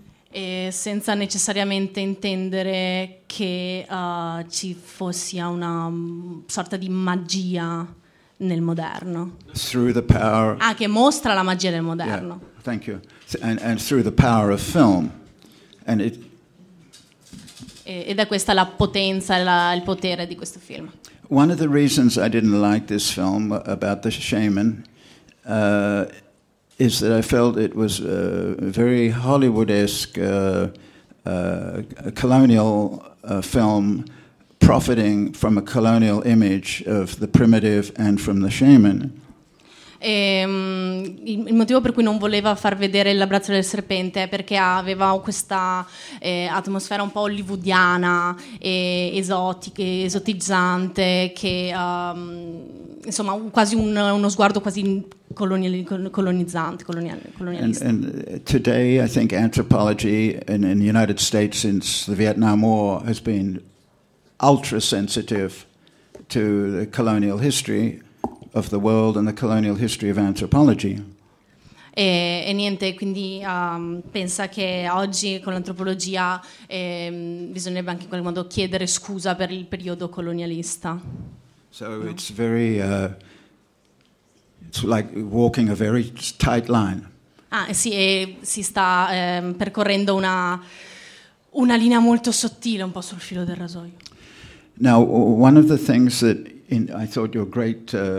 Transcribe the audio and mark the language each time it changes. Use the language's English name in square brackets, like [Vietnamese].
[Italian] E senza necessariamente intendere che ci fosse una sorta di magia nel moderno. [English] Through the power. [Italian] Ah, che mostra la magia del moderno. [English] Yeah, thank you. And through the power of film. And it. [Italian] Ed è questa la potenza, il potere di questo film. [English] One of the reasons I didn't like this film about the shaman. Is that I felt it was a very Hollywood-esque colonial film profiting from a colonial image of the primitive and from the shaman. [Italian] Il motivo per cui non voleva far vedere L'abbraccio del serpente è perché aveva questa atmosfera un po' hollywoodiana e esotica, esotizzante, che insomma quasi uno sguardo quasi colonizzante, colonialista. [English] And today I think anthropology in the United States since the Vietnam War has been ultra sensitive to the colonial history of the world and the colonial history of anthropology. [Italian] E niente, quindi pensa che oggi con l'antropologia bisognerebbe anche in qualche modo chiedere scusa per il periodo colonialista. [English] So no? It's very it's like walking a very tight line. [Italian] Ah, sì, e si sta percorrendo una linea molto sottile, un po' sul filo del rasoio. [English] Now, one of the things that I thought your great